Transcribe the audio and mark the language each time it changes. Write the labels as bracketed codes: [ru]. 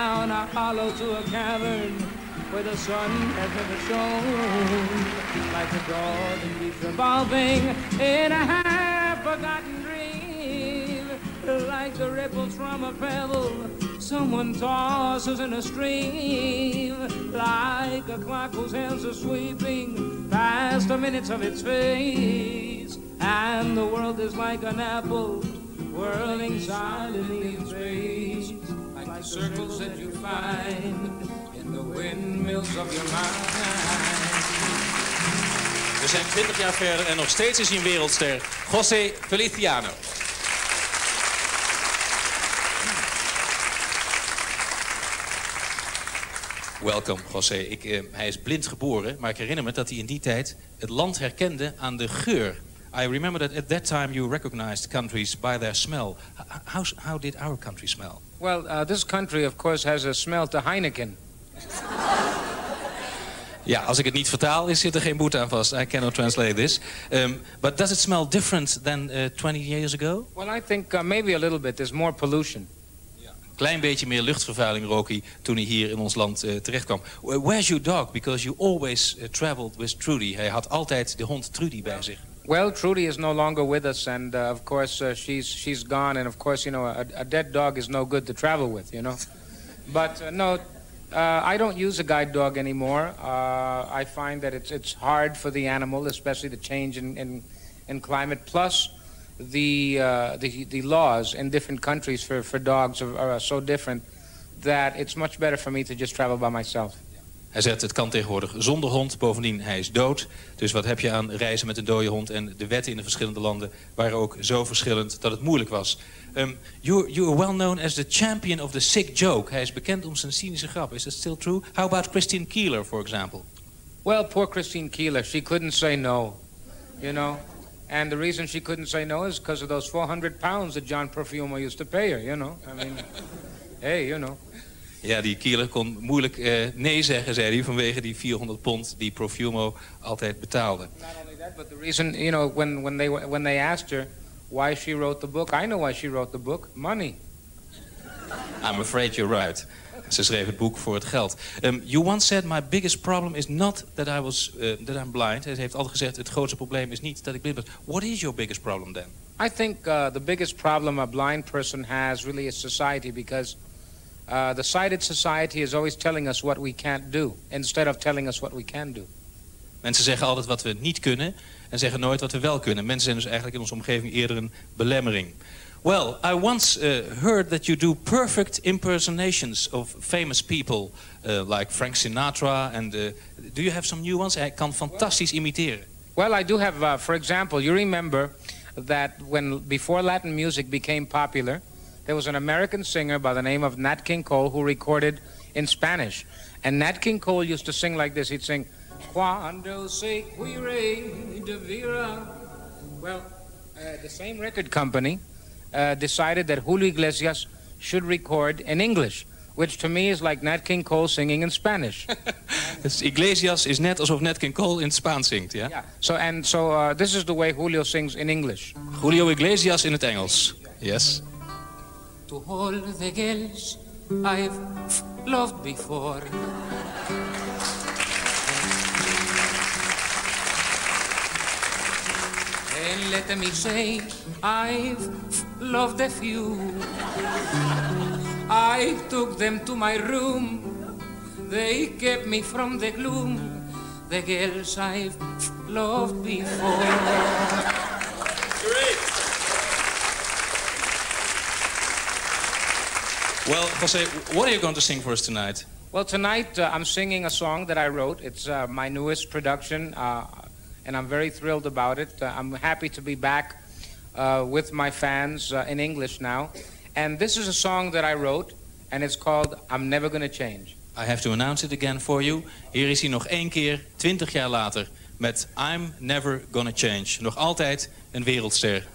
[en] Where the sun has never shone, like a door that keeps revolving in a half-forgotten dream, like the ripples from a pebble someone tosses in a stream, like a clock whose hands are sweeping past the minutes of its face, and the world is like an apple whirling silently in space, like the circles that you find the windmills of your mind. [nl] We zijn 20 jaar verder en nog steeds is hij een wereldster, José Feliciano. Welkom, José. Hij is blind geboren, maar ik herinner me dat hij in die tijd het land herkende aan de geur. [en] I remember that at that time you recognized countries by their smell. How did our country smell? Well, this country of course has a smell to Heineken. [nl] Ja, als ik het niet vertaal, is er geen boete aan vast. [en] I cannot translate this. But does it smell different than 20 years ago? Well, I think maybe a little bit. There's more pollution. Yeah. [nl] Klein beetje meer luchtvervuiling, Rocky, toen hij hier in ons land terecht kwam. [en] Where's your dog? Because you always traveled with Trudy. [nl] Hij had altijd de hond Trudy bij zich. [en] Well, Trudy is no longer with us. And of course, she's gone. And of course, you know, a dead dog is no good to travel with, you know. But no... I don't use a guide dog anymore. I find that it's hard for the animal, especially the change in climate. Plus, the laws in different countries for dogs are so different that it's much better for me to just travel by myself. [nl] Hij zegt, het kan tegenwoordig zonder hond. Bovendien, hij is dood. Dus wat heb je aan reizen met een dode hond? En de wetten in de verschillende landen waren ook zo verschillend dat het moeilijk was. [en] You're well known as the champion of the sick joke. [nl] Hij is bekend om zijn cynische grap. [en] Is that still true? How about Christine Keeler, for example? Well, poor Christine Keeler. She couldn't say no, you know. And the reason she couldn't say no is because of those 400 pounds that John Perfumo used to pay her, you know. I mean, hey, you know. [nl] Ja, die Keeler kon moeilijk nee zeggen, zei hij, vanwege die 400 pond die Profumo altijd betaalde. [en] Not only that, but the reason, you know, when they asked her why she wrote the book, I know why she wrote the book, money. I'm afraid you're right. [nl] Ze schreef het boek voor het geld. [en] You once said my biggest problem is not that I was that I'm blind. [nl] Hij heeft altijd gezegd het grootste probleem is niet dat ik blind was. [en] What is your biggest problem then? I think the biggest problem a blind person has really is society, because the sighted society is always telling us what we can't do, instead of telling us what we can do. [nl] Mensen zeggen altijd wat we niet kunnen en zeggen nooit wat we wel kunnen. Mensen zijn dus eigenlijk in onze omgeving eerder een belemmering. [en] Well, I once heard that you do perfect impersonations of famous people like Frank Sinatra. And do you have some new ones? [nl] Hij kan fantastisch imiteren. [en] Well, I do have, for example, you remember that before Latin music became popular, there was an American singer by the name of Nat King Cole who recorded in Spanish. And Nat King Cole used to sing like this. He'd sing, [es] Cuando se quiere de vera. [en] Well, the same record company decided that Julio Iglesias should record in English, which to me is like Nat King Cole singing in Spanish. [nl] Iglesias is net alsof Nat King Cole in Spaans zingt, ja? [en] Yeah? Yeah. So this is the way Julio sings in English. [nl] Julio Iglesias in het Engels, yes. [en] To all the girls I've loved before. And let me say, I've loved a few. I took them to my room. They kept me from the gloom. The girls I've loved before. Well, José, what are you going to sing for us tonight? Well, tonight I'm singing a song that I wrote. It's my newest production, and I'm very thrilled about it. I'm happy to be back with my fans in English now. And this is a song that I wrote, and it's called I'm Never Gonna Change. I have to announce it again for you. [nl] Hier is hij nog één keer, 20 jaar later, met I'm Never Gonna Change. Nog altijd een wereldster.